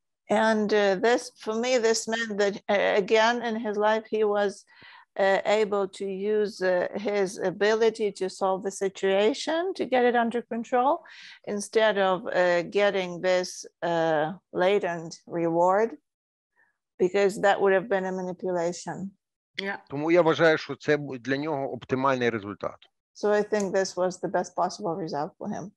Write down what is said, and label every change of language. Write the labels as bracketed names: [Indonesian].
[English] And this, for me, this meant that again in his life he was able to use his ability to solve the situation to get it under control instead of getting this latent reward because that would have been a manipulation. [Ukrainian] Тому я вважаю, що це для нього оптимальний результат. [English] So I think this was the best possible result for him.